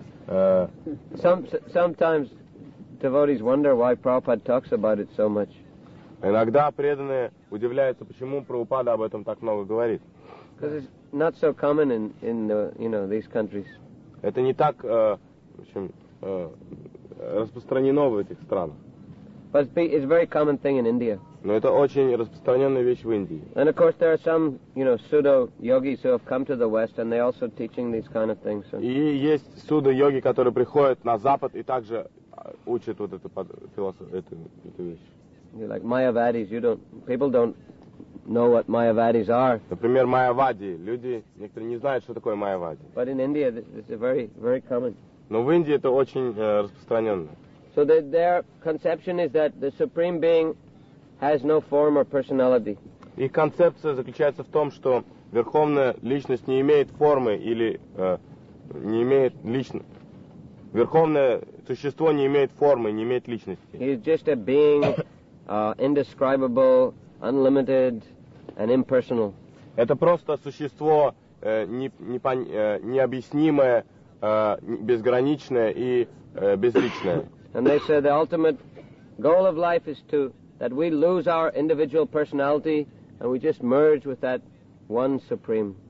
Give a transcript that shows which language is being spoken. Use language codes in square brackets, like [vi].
[en] Sometimes devotees wonder why Prabhupada talks about it so much. [ru] Иногда преданные удивляются, почему Прабхупада об этом так много говорит. [en] Because it's not so common in the, you know, these countries. [ru] Это не так, в общем, распространено в этих странах. [en] But it's a very common thing in India. [ru] Но это очень распространенная вещь в Индии. [en] And of course, there are some, you know, pseudo yogis who have come to the West, and they also teaching these kind of things. [ru] И есть pseudo йоги, которые приходят на Запад и также учат вот эту эту вещь. [en] You're like Mayavadis. People don't know what Mayavadis are. [ru] Например, Майявади. Люди некоторые не знают, что такое Майявади. [en] But in India, it's a very, very common. [ru] Но в Индии это очень распространенно. [en] So their conception is that the Supreme Being has no form or personality. [ru] Их концепция заключается в том, что верховная личность не имеет формы или не имеет личности. Верховное существо не имеет формы, не имеет личности. [en] He is just a being, indescribable, unlimited, and impersonal. [ru] Это просто существо необъяснимое, безграничное и безличное. [en] And they say the ultimate goal of life is to that we lose our individual personality and we just merge with that one supreme.